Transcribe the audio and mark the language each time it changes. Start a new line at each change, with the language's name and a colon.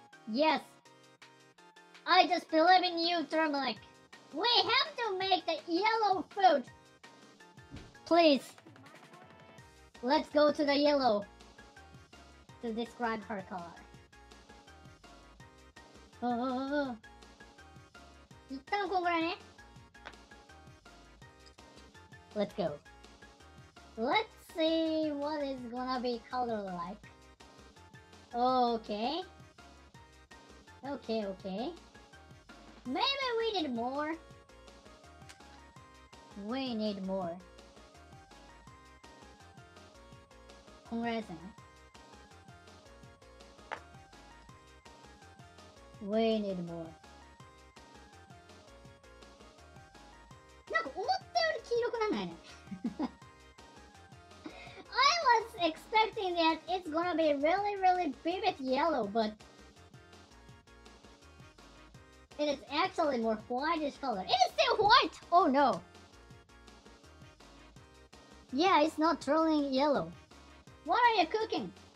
English: Yes. I just believe in you, turmeric. We have to make the yellow food. Please. Let's go to the yellow to describe her color.
Japanese: Oh. 一旦こんぐらいね。
English: Let's go. Let's. See what is gonna be color like. Okay. Okay, okay. Maybe we need more. We need more. Congrats. We need more.
Japanese: なんか思ったより黄色くならないね。
English: Expecting that it's gonna be really, really vivid yellow, but and it's actually more whitish color. It is still white! Oh no. Yeah, it's not turning yellow. What are you cooking?